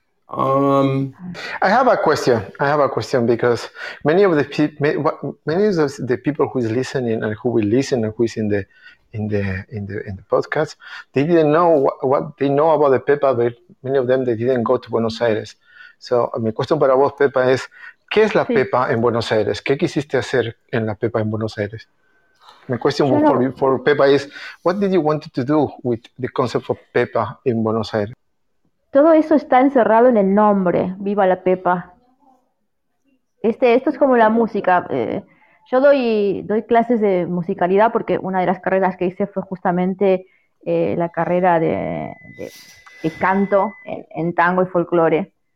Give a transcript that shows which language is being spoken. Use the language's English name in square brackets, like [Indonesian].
[English] I have a question because many of the people who is listening and who will listen and who is in the podcast, they didn't know what they know about the Pepa, but many of them they didn't go to Buenos Aires. [Spanish] So mi cuestión para vos, Pepa, es ¿qué es la sí. Pepa en Buenos Aires? ¿Qué quisiste hacer en la Pepa en Buenos Aires? [English] My question for Pepa is, what did you want to do with the concept of Pepa in Buenos Aires? [Spanish] Todo eso está encerrado en el nombre, Viva la Pepa. Esto es como la música. Yo doy clases de musicalidad porque una de las carreras que hice fue justamente la carrera de canto en tango y folclore.